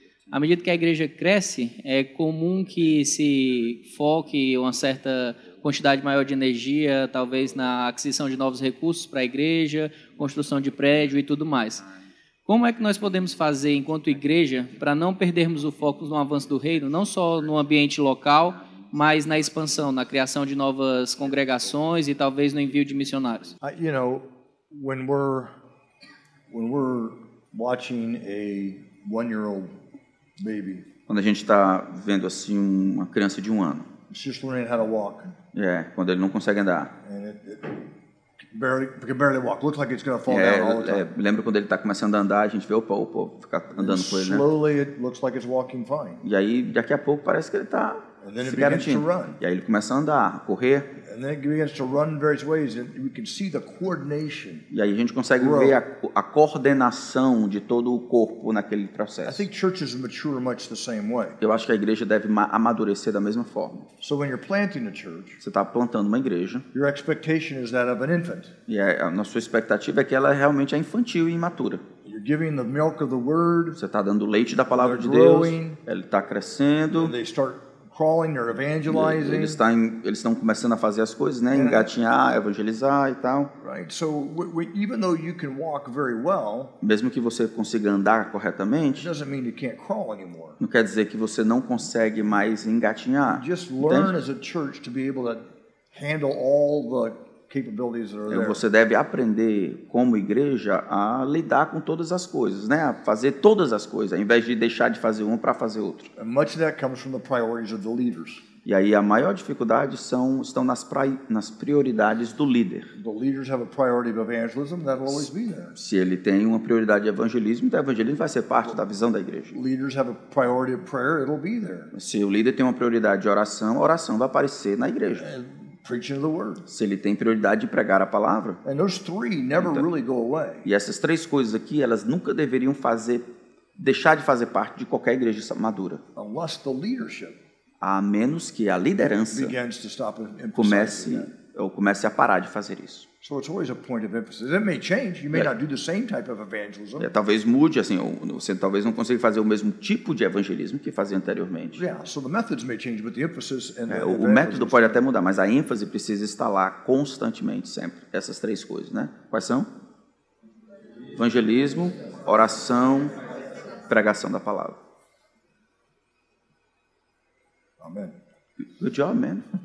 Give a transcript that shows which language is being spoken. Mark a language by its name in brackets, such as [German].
[Portuguese] À medida que a igreja cresce, é comum que se foque uma certa quantidade maior de energia, talvez na aquisição de novos recursos para a igreja, construção de prédio e tudo mais. Como é que nós podemos fazer, enquanto igreja, para não perdermos o foco no avanço do reino, não só no ambiente local, mas na expansão, na criação de novas congregações e talvez no envio de missionários? [English] You know, when we're watching a one-year-old baby, [Portuguese] quando a gente está vendo assim uma criança de um ano, [English] it's just learning how to walk. [Portuguese] É, quando ele não consegue andar. [English] Barely walk. Looks like it's gonna fall down all the time. [Portuguese] Lembra quando ele está começando a andar, a gente vê opa, fica andando com ele, né? [English] Slowly it looks like it's walking fine. [Portuguese] E aí daqui a pouco parece que ele está se garantindo. E aí ele começa a andar, a correr. [English] And then it begins to run various ways, and we can see the coordination. [Portuguese] E aí a gente consegue [English] grow. [Portuguese] Ver a coordenação de todo o corpo naquele processo. [English] I think churches mature much the same way. [Portuguese] Eu acho que a igreja deve amadurecer da mesma forma. [English] So when you're planting a church, [Portuguese] você está plantando uma igreja. [English] Your expectation is that of an infant. [Portuguese] E a nossa expectativa é que ela realmente é infantil e imatura. [English] You're giving the milk of the word. [Portuguese] Você está dando leite da palavra de Deus. Ele está crescendo. [English] They start crawling or evangelizing. [Portuguese] Eles estão começando a fazer as coisas, né? Engatinhar, evangelizar e tal. [English] Right. So, even though you can walk very well, [Portuguese] mesmo que você consiga andar corretamente, [English] doesn't mean you can't crawl anymore. [Portuguese] Não quer dizer que você não consegue mais engatinhar. [English] Just learn as a church to be able to handle all the capabilities that are there. [Portuguese] Você deve aprender como igreja a lidar com todas as coisas, né? A fazer todas as coisas, ao invés de deixar de fazer um para fazer outro. [English] And much of that comes from the priorities of the leaders. [Portuguese] E aí a maior dificuldade são, estão nas, nas prioridades do líder. [English] The leaders have a priority of evangelism, that'll always be there. [Portuguese] Se ele tem uma prioridade de evangelismo, então evangelismo vai ser parte da visão da igreja. [English] Leaders have a priority of prayer, it'll be there. [Portuguese] Se o líder tem uma prioridade de oração, a oração vai aparecer na igreja. [English] Preaching the word. [Portuguese] Se ele tem prioridade de pregar a palavra. [English] And those three never [Portuguese] então, [English] really go away. [Portuguese] E essas três coisas aqui, elas nunca deveriam fazer, deixar de fazer parte de qualquer igreja madura. [English] Unless the leadership. [Portuguese] A menos que a liderança comece a parar de fazer isso. [English] So it's always a point of emphasis. It may change. You may not do the same type of evangelism. [Portuguese] Talvez mude, assim, você talvez não consiga fazer o mesmo tipo de evangelismo que fazia anteriormente. [English] Yeah, so the methods may change, but the emphasis and the [Portuguese] O método pode até mudar, mas a ênfase precisa estar lá constantemente, sempre. Essas três coisas, né? Quais são? Evangelismo, oração, pregação da palavra. Amém. [English] Good job, man.